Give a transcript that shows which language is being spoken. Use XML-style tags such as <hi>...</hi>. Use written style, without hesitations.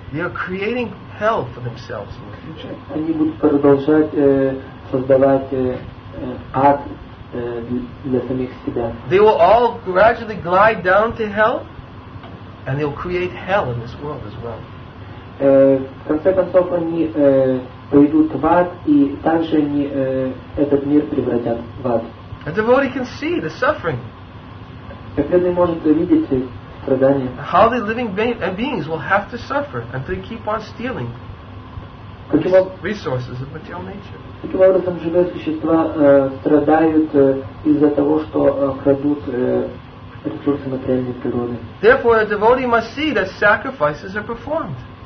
<en>they are creating hell for themselves in the future.</en> <ru>Они будут продолжать создавать ад.</ru> <en>They will all gradually glide down to hell, and they will create hell in this world as well.</en> <ru>В конце концов они пойдут в ад, и также они этот мир превратят в ад.</ru> <en>A devotee can see the suffering.</en> <ru>Преданный может видеть страдания.</ru> <en>How the living beings will have to suffer until they keep on stealing resources of material nature.</en> <ru>Таким образом, живые существа страдают из-за того, что крадут</ru> <en>Therefore, a devotee must see that sacrifices are performed.</en>